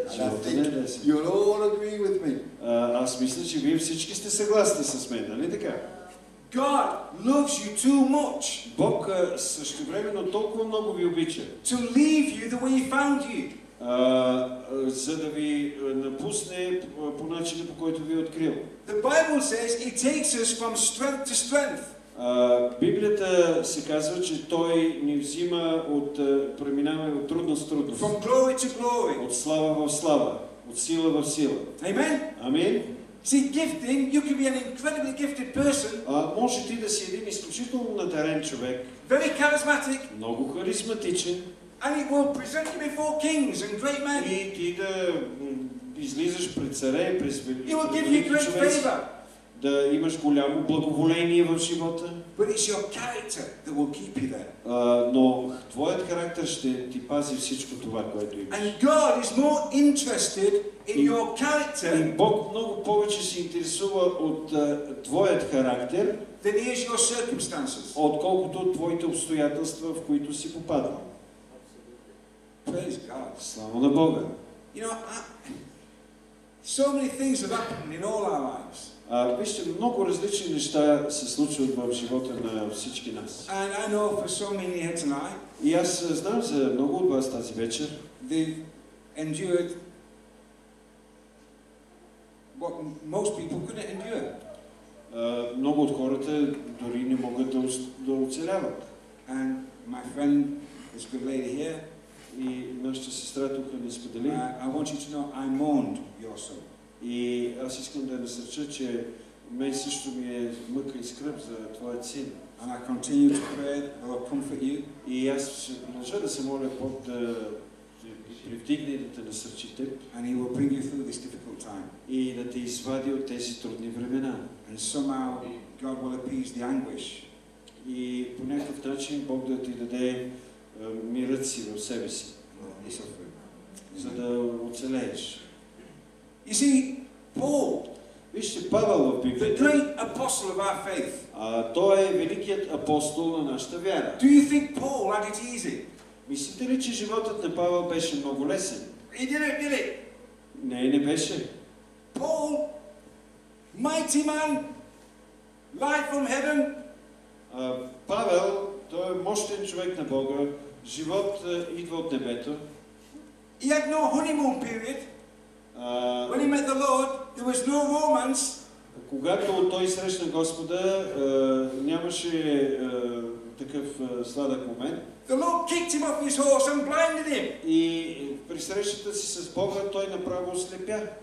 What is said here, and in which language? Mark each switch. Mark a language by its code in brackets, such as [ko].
[en] And I think you'll all agree with me. [bg] Аз мисля, че вие всички сте съгласни с мен, нали така? [en] God loves you too much. [bg] Бог същевременно толкова много ви обича. [en] To leave you the way he found you. [bg] За да ви напусне по начина, по който ви е открил. [en] The Bible says it takes us from strength to strength. [bg] Библията се казва, че той ни взима от преминаване от трудност в трудност. [en] From glory to glory. [bg] От слава в слава, от сила в сила. [en] Amen. [bg] Амин. [en] See, gifting, you can be an incredibly gifted person. [bg] Може ти да си един изключително надарен човек. [en] Very charismatic. [bg] Много харизматичен. [en] And it will present you before kings and great men. [bg] И ти да излизаш пред царе и пред велики. [en] It will give you great favor. [bg] Да имаш голямо благоволение в живота. [en] But it's your character that will keep you there. [bg] Но твоят характер ще ти пази всичко това, което имаш. [en] And God is more interested in your character. [bg] И Бог много повече се интересува от твоят характер, [en] than he is your circumstances. [bg] Отколкото от твоите обстоятелства, в които си попадал. [en] Praise God. [bg] Слава на Бога. [en] You know, so many things have happened in all our lives. [bg] Вижте, много различни неща се случват в живота на всички нас. [en] And I know for so many here tonight. [bg] И аз знам за много от вас тази вечер. [en] They've endured what most people couldn't endure. [bg] Много от хората дори не могат да оцеляват. [en] And my friend, this good lady here, [bg] и нашата сестра тук ни сподели. [en] I want you to know I mourned your soul. [bg] И аз искам да насърча, че мен също ми е мъка и скръп за твоя син. [en] And I continue to pray that I will comfort you. [bg] И аз ще продължа да се моля Бог да привдигне и да те насърчи теб. [en] And he will bring you through this difficult time. [bg] И да те извади от тези трудни времена. [en] And somehow God will appease the anguish. [bg] И по някакъв начин Бог да ти даде мирът си в себе си, за да оцелееш. [en] You see, Paul, [bg] вижте, Павел в Библията, [en] the great apostle of our faith. [bg] Той е великият апостол на нашата вяра. [en] Do you think Paul had it easy? [bg] Мислите ли, че животът на Павел беше много лесен? [en] He didn't, did he? [bg] Не, не беше. [en] Paul, mighty man, light from heaven, [bg] Павел, той е мощен човек на Бога, живот идва от небето. [en] He had no honeymoon period. When he met the Lord, there was no romance. [bg] Когато той срещна Господа, нямаше такъв сладък момент. [en] The Lord kicked him off his horse and blinded him. [bg] И при срещата си с Бога той направо ослепя.